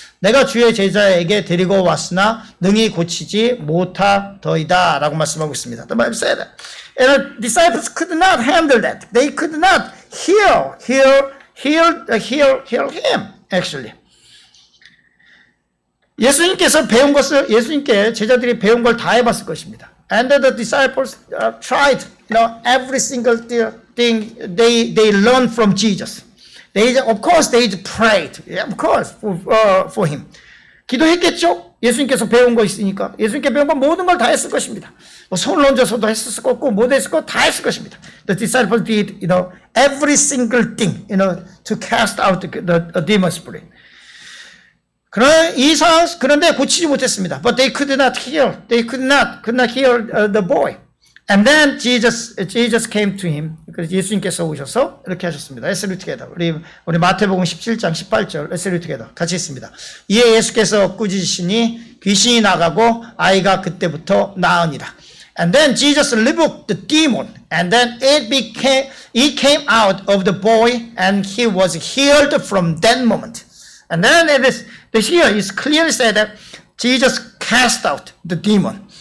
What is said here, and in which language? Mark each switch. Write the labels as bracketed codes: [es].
[ko] 내가 주의 제자에게 데리고 왔으나 능히 고치지 못하더이다 라고 말씀하고 있습니다. [en] The Bible said that. And the disciples could not handle that. They could not heal him, actually. [ko] 예수님께 제자들이 배운 걸 다 해봤을 것입니다. [en] And the disciples tried, you know, every single thing they learned from Jesus. They prayed, yeah, of course, for him. [ko] 기도했겠죠? 예수님께서 배운 거 있으니까. 예수님께 배운 거 모든 걸 다 했을 것입니다. 뭐 손을 얹어서도 했을 것이고, 못 했을 거 다 했을 것입니다. [en] The disciples did, you know, every single thing, you know, to cast out the demon spirit. [ko] 그런데 고치지 못했습니다. [en] But they could not heal. They could not heal the boy. And then Jesus came to him. [ko] 그래서 예수님께서 오셔서 이렇게 하셨습니다. [en] Let's read together. [ko] 우리 마태복음 17장 18절. [en] Let's read together. [ko] 같이 있습니다. 이에 예수께서 꾸짖으시니 귀신이 나가고 아이가 그때부터 나으니라. [en] And then Jesus rebuked the demon. And then it came out of the boy and he was healed from that moment. And then it's clearly said that Jesus cast out the demon.